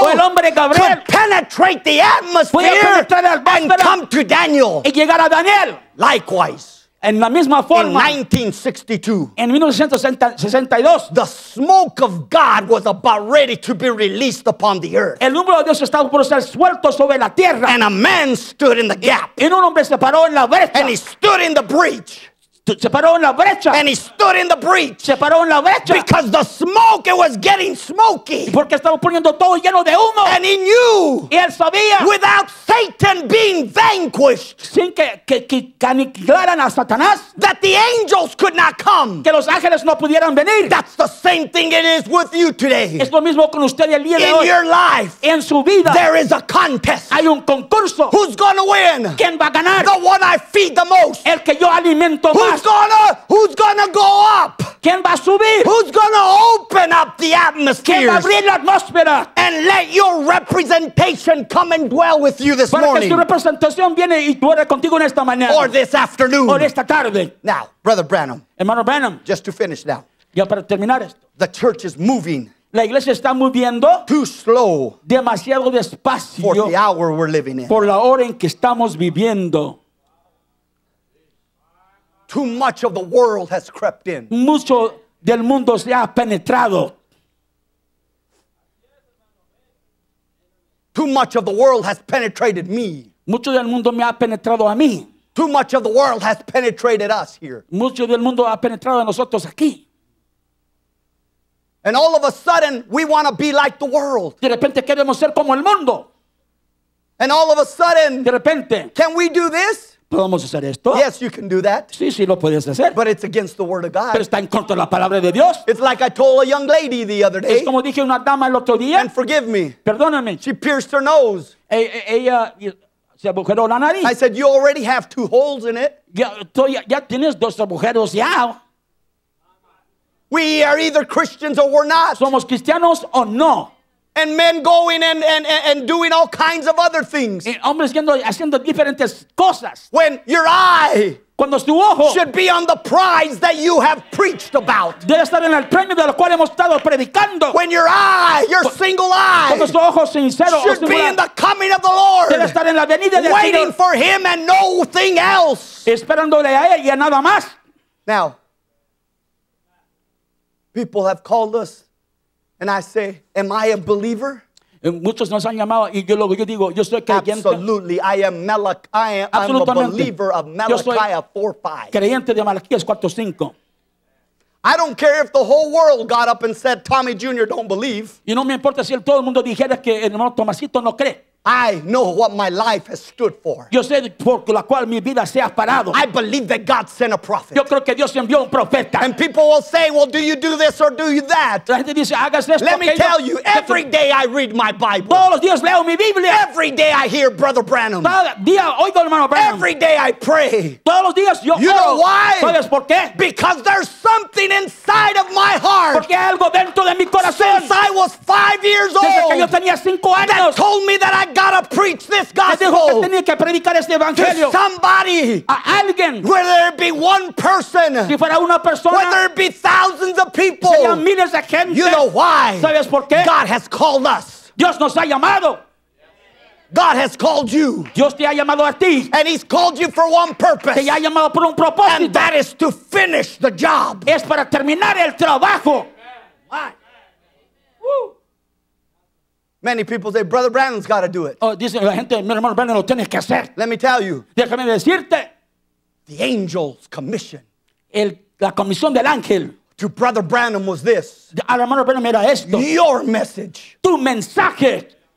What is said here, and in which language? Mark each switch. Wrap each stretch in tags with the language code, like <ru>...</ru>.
<es>o el hombre Gabriel,</es> <en>could penetrate the atmosphere and come to Daniel,</en> <es>y llegar a Daniel.</es> <en>Likewise,</en> <es>en la misma forma,</es> <en>in 1962,</en> <es>en 1962,</es> <en>the smoke of God was about ready to be released upon the earth.</en> <es>El humo de Dios estaba por ser suelto sobre la tierra.</es> <en>And a man stood in the gap.</en> <es>Y un hombre se paró en la brecha.</es> <en>And he stood in the breach.</en> <es>Se paró en la brecha.</es> <en>And he stood in the breach.</en> <es>Se paró en la brecha.</es> <en>Because the smoke, it was getting smoky.</en> <es>Porque estaba poniendo todo lleno de humo.</es> <en>And he knew.</en> <es>Y él sabía.</es> <en>Without Satan being vanquished.</en> <es>Sin que aniquilaran a Satanás.</es> <en>That the angels could not come.</en> <es>Que los ángeles no pudieran venir.</es> <en>That's the same thing it is with you today.</en> <es>Es lo mismo con usted el día de</es> <en>in</en> <es>hoy.</es> <en>In your life.</en> <es>En su vida.</es> <en>There is a contest.</en> <es>Hay un concurso.</es> <en>Who's gonna win?</en> <es>¿Quién va a ganar?</es> <en>The one I feed the most.</en> <es>El que yo alimento</es> <en>who's</en> <es>más.</es> <en>Who's gonna go up?</en> <es>¿Quién va a subir?</es> <en>Who's gonna open up the atmosphere?</en> <es>¿Quién va a abrir la atmósfera?</es> <en>And let your representation come and dwell with you this</en> <es>para</es> <en>morning.</en> <es>Para que su representación viene y duerme contigo en esta mañana.</es> <en>Or this afternoon.</en> <es>O esta tarde.</es> <en>Now, Brother Branham.</en> <es>Hermano Branham.</es> <en>Just to finish now.</en> <es>Ya para terminar esto.</es> <en>The church is moving.</en> <es>La iglesia está moviendo</es> <en>too slow.</en> <es>Demasiado despacio.</es> <en>For the hour we're living in.</en> <es>Por la hora en que estamos viviendo.</es> <en>Too much of the world has crept in.</en> <es>Mucho del mundo se ha penetrado.</es> <en>Too much of the world has penetrated me.</en> <es>Mucho del mundo me ha penetrado a mí.</es> <en>Too much of the world has penetrated us here.</en> <es>Mucho del mundo ha penetrado a nosotros aquí.</es> <en>And all of a sudden, we want to be like the world.</en> <es>De repente queremos ser como el mundo.</es> <en>And all of a sudden,</en> <es>de repente,</es> <en>can we do this?</en> <es>¿Podemos hacer esto?</es> <en>Yes, you can do that.</en> <es>Sí, sí, lo puedes hacer.</es> <en>But it's against the word of God.</en> <es>Pero está en contra de la palabra de Dios.</es> <en>It's like I told a young lady the other day.</en> <es>Es como dije una dama el otro día.</es> <en>And forgive me.</en> <es>Perdóname.</es> <en>She pierced her nose.</en> <es>Ella se agujeró la nariz.</es> <en>I said, you already have two holes in it.</en> <es>Ya tienes dos agujeros ya.</es> <en>We are either Christians or we're not.</en> <es>Somos cristianos o no.</es> <en>And men going and doing all kinds of other things.</en> <es>Y hombres yendo haciendo diferentes cosas.</es> <en>When your eye,</en> <es>cuando tu ojo,</es> <en>should be on the prize that you have preached about.</en> <es>Debe estar en el premio del cual hemos estado predicando.</es> <en>When your eye, your single eye,</en> <es>cuando tu ojo sincero,</es> <en>should be in the coming of the Lord.</en> <es>Debe estar en la venida del Señor.</es> <en>Waiting for Him and nothing else.</en> <es>Esperándole a él y a nada más.</es> <en>Now, people have called us, and I say, am I a believer?</en> <es>Muchos nos han llamado, y yo digo, yo soy creyente.</es> <en>Absolutely, I am Malachi. I am a believer of Malachi 4:5.</en> <es>Creyente de Malaquías 4:5.</es> <en>I don't care if the whole world got up and said, Tommy Jr. don't believe.</en> <es>Y no me importa si todo el mundo dijera que el hermano Tomasito no cree.</es> <en>I know what my life has stood for.</en> <es>Yo sé por la cual mi vida se ha parado.</es> <en>I believe that God sent a prophet.</en> <es>Yo creo que Dios envió un profeta.</es> <en>And people will say, well, do you do this or do you that?</en> <es>La gente dice, hagas esto.</es> <en>Let me tell you, every day I read my Bible.</en> <es>Todos los días leo mi Biblia.</es> <en>Every day I hear Brother Branham.</en> <es>Cada día oigo al hermano Branham.</es> <en>Every day I pray.</en> <es>Todos los días yo oro.</es> <en>You know why?</en> <es>¿Sabes por qué?</es> <en>Because there's something inside of my heart.</en> <es>Porque hay algo dentro de mi corazón.</es> <en>Since I was 5 years old.</en> <es>Desde que yo tenía 5 años.</es> <en>That told me that I gotta preach this gospel to somebody,</en> <es>a alguien,</es> <en>whether it be one person,</en> <es>si fuera una persona,</es> <en>whether it be thousands of people,</en> <es>si sean miles de gente,</es> <en>you know why?</en> <es>¿Sabes por qué?</es> <en>God has called us.</en> <es>Dios nos ha llamado.</es> <en>God has called you.</en> <es>Dios te ha llamado a ti.</es> <en>And He's called you for one purpose.</en> <es>Te ha llamado por un propósito.</es> <en>And that is to finish the job.</en> <es>Es para terminar el trabajo.</es> <en>Why? Many people say, Brother Brandon's got to do it.</en> <es>Oh, dice la gente, mi hermano Brandon lo tiene que hacer.</es> <en>Let me tell you.</en> <es>Déjame decirte.</es> <en>The angel's commission.</en> <es>La comisión del ángel.</es> <en>To Brother Branham was this.</en> <es>Al hermano Branham era esto.</es> <en>Your message.</en> <es>Tu mensaje.</es>